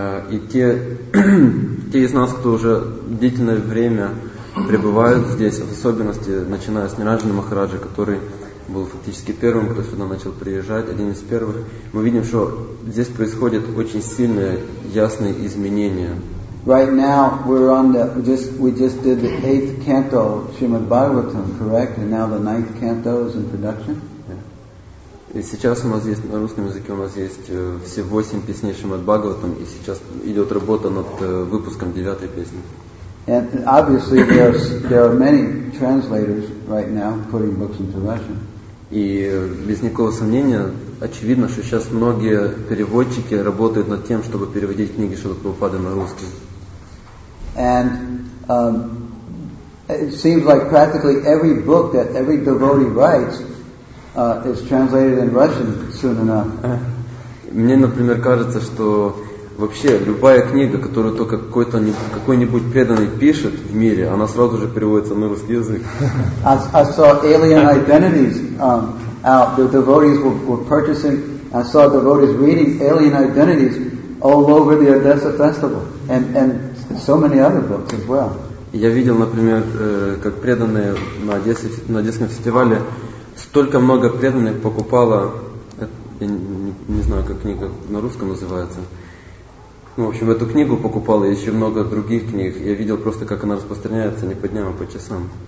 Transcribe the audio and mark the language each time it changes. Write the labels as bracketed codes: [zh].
[ru] И те, те из нас, кто уже длительное время пребывают здесь, в особенности начиная с Ниранджана Махараджи, который был фактически первым, кто сюда начал приезжать, один из первых, мы видим, что здесь происходят очень сильные, ясные изменения. [en] Right now we're on the we just did the 8th canto of Srimad Bhagavatam, correct? And now the 9th canto is in production. [ru] И сейчас у нас есть на русском языке у нас есть все 8 песней Шримад Бхагаватам, и сейчас идет работа над выпуском 9-й песни. [en] And obviously there are many translators right now putting books into Russian. [ru] И без никакого сомнения очевидно, что сейчас многие переводчики работают над тем, чтобы переводить книги Шрилы Прабхупады на русский. [en] And it seems like practically every book that every devotee writes is translated in Russian soon enough. [ru] Мне, например, кажется, что вообще любая книга, которую только какой-то какой-нибудь преданный пишет в мире, она сразу же переводится на русский язык. [en] I saw Alien Identities out. The devotees were purchasing. I saw devotees reading Alien Identities all over the Odessa Festival and so many other books as well. [ru] Я видел, например, как преданные на Одесском фестивале столько много преданных покупало, не знаю, как книга на русском называется. Ну, в общем, эту книгу покупало и еще много других книг. Я видел просто, как она распространяется не по дням, а по часам.